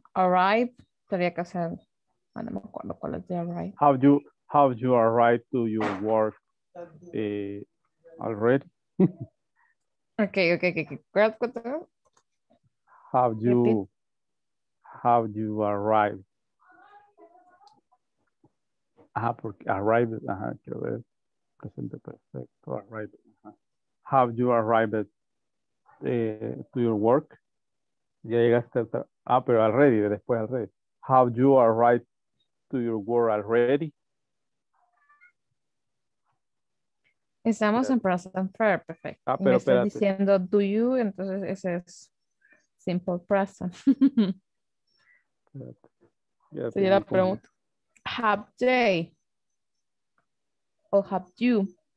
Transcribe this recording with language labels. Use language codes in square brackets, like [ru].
[es] Arrive, tendría que hacer, no me acuerdo cuál es de arrive. [en] How do you arrive to your work already? Okay. How do you arrive? [es] Ajá, porque arrive, ajá, quiero ver, presente perfecto, arrive. [en] How do you arrive to your work? [es] Ya llegaste a, ah, pero already, después already. [en] How do you arrive to your work already? [es] Estamos en present perfect, perfecto. Ah, pero me estoy diciendo [en] do you, [es] entonces ese es simple present. Si yo la pregunto, [en] have they [es] o [en] have you?